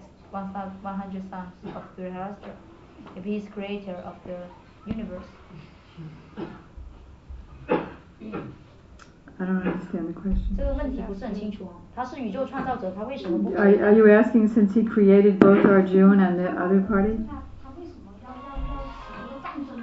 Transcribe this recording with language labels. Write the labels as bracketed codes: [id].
[en] 100 sons of Dhritarashtra if he is creator of the universe? I don't understand the question. [zh] 这个问题不是很清楚他是宇宙创造者，他为什么不？ [en] Are you asking since he created both Arjuna and the other party? [zh] 他为什么要起这个战争？